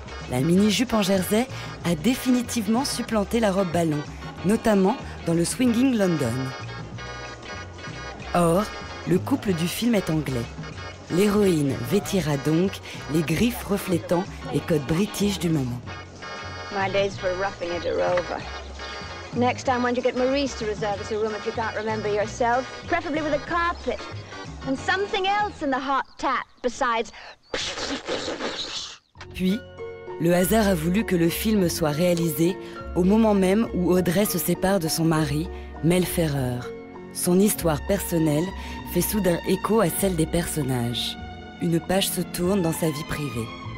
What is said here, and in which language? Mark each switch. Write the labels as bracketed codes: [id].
[fr] La mini-jupe en jersey a définitivement supplanté la robe ballon, notamment dans le Swinging London. Or, le couple du film est anglais. L'héroïne vêtira donc les griffes reflétant les codes british du moment. [en] My days for roughing it are over. Next time, why don't you get Maurice to reserve us a room if you can't remember yourself? Preferably with a carpet. And something else in the hot tap besides. [fr] Puis, le hasard a voulu que le film soit réalisé au moment même où Audrey se sépare de son mari, Mel Ferrer. Son histoire personnelle fait soudain écho à celle des personnages. Une page se tourne dans sa vie privée.